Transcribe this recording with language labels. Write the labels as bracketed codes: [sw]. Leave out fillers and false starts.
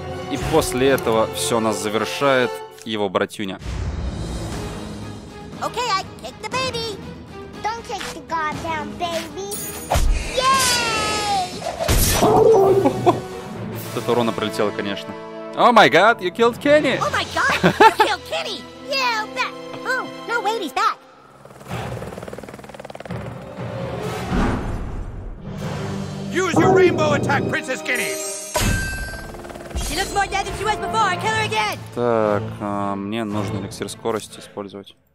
[ru] И после этого все нас завершает его братюня. [en] Okay, I kick the baby. Don't kick the goddamn baby. Yay! [ru] Это урона пролетело, конечно. [en] Oh my god, you killed Kenny! Oh my god, you killed Kenny! You bet! Oh, no, wait, he's back. Use your rainbow attack, Princess Kenny! She looks more dead than she was before. Kill her again! [ru] Так, мне нужен эликсир скорости использовать.